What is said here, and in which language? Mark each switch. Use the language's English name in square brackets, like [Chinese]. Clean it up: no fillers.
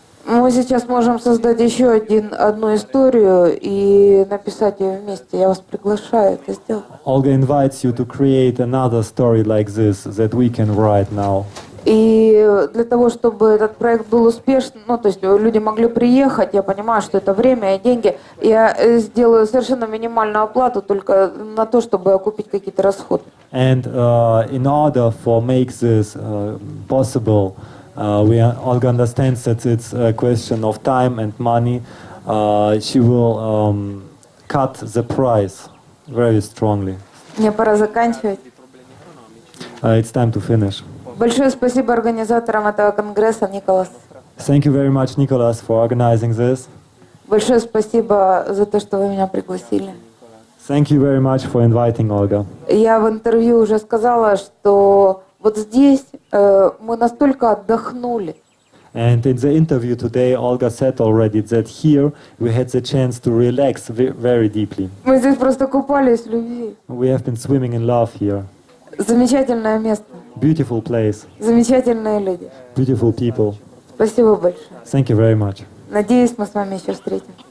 [Russian] Мы сейчас можем создать еще одну историю и написать ее вместе. Я вас приглашаю это сделать. [English] Olga invites you to create another story like this that we can write now. [Russian] И для того, чтобы этот проект был успешным, ну, то есть люди могли приехать, я понимаю, что это время и деньги, я сделаю совершенно минимальную оплату только на то, чтобы окупить какие-то расходы. [English] And in order for make this possible, Olga understands that it's a question of time and money. She will cut the price very strongly. [Russian] Мне пора заканчивать. [English] It's time to finish. [Russian] Большое спасибо организаторам этого конгресса, Николас. [English] Thank you very much, Nicholas, for organizing this. [Russian] Большое спасибо за то, что вы меня пригласили. [English] Thank you very much for inviting, Olga. [Russian] Я в интервью уже сказала, что вот здесь мы настолько отдохнули. [English] And in the interview today, Olga said already that here we had the chance to relax very deeply. [Russian] Мы здесь просто купались в любви. [English] We have been swimming in love here. [Russian] Замечательное место. [English] Beautiful place. [Russian] Замечательные люди. [English] Beautiful people. [Russian] Спасибо большое. [English] Thank you very much. [Russian] Надеюсь, мы с вами еще встретимся.